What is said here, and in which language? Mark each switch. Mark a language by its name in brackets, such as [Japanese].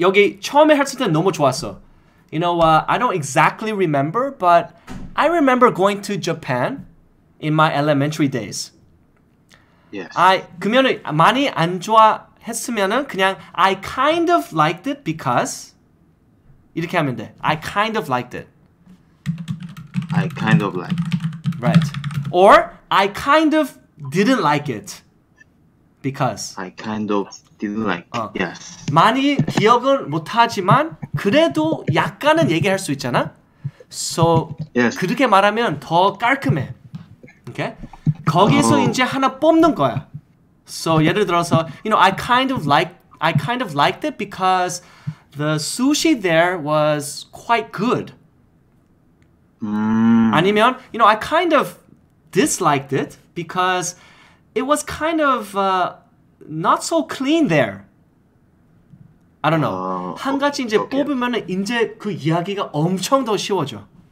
[Korean] 여기 처음에 했을 때 너무 좋았어. [English] You know what? I don't exactly remember, but I remember going to Japan in my elementary days. Yes. [Korean] 그러면은 많이 안 좋아했으면은 그냥 [English] I kind of liked it because [Korean] 이렇게 하면 돼. [English] I kind of liked it. I kind of liked. Right. Or I kind of didn't like it because I kind of didn't like. Yes. [Korean] 많이 기억은 못하지만 그래도 약간은 얘기할 수 있잖아. [English] So yes. [Korean] 그렇게 말하면 더 깔끔해. [English] Okay? [Korean] 거기서 이제 하나 뽑는 거야. [English] So [Korean] 예를 들어서, [English] you know, I kind of liked it because the sushi there was quite good. [Korean] 아니면, [English] you know, I kind of disliked it because it was kind of not so clean there. I don't know. [Korean] 한 가지 이제 [English] okay. [Korean] 뽑으면 이제 그 이야기가 엄청 더 쉬워져.